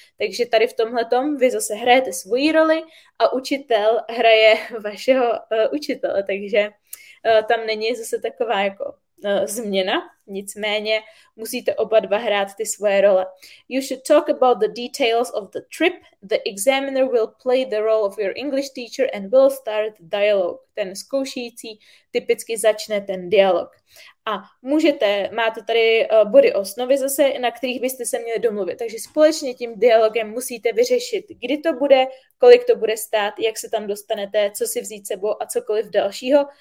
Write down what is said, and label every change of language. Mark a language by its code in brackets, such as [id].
[cs] Takže tady v tomhletom vy zase hrajete svoji roli a učitel hraje vašeho učitele, takže tam není zase taková jako změna, nicméně musíte oba dva hrát ty svoje role. [en] You should talk about the details of the trip. The examiner will play the role of your English teacher and will start the dialogue. [cs] Ten zkoušící typicky začne ten dialog. A můžete, máte tady body osnovy zase, na kterých byste se měli domluvit. Takže společně tím dialogem musíte vyřešit, kdy to bude, kolik to bude stát, jak se tam dostanete, co si vzít sebou a cokoliv dalšího.